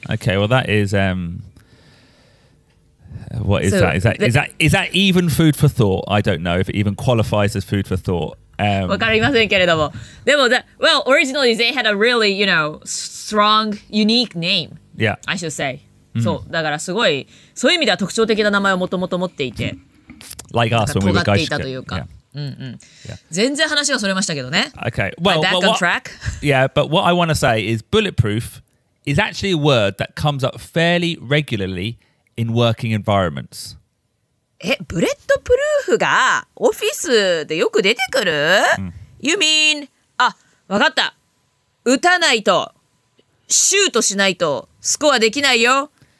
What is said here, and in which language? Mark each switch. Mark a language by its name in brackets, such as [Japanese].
[English] Okay, well that is... what is, so that? Is that even food for thought? I don't know if it even qualifies as food for thought. Well, originally they had a really, you know, strong, unique name. Yeah. I should say. Mm-hmm. [Japanese] So, だからすごい、そういう意味では特徴的な名前をもともと持っていて。 [English] Like us when we were guys. Yeah. [Japanese] Mm-hmm. Yeah. 全然話がそれましたけどね。 [English] Okay. Well, back on track. Yeah, but what I want to say is bulletproof is actually a word that comes up fairly regularly in working environments. [Japanese] え、ブレットプルーフがオフィスでよく出てくる、mm. [English] You mean... [Japanese] あ、わかった。打たないと、シュートしないと、スコアできないよ。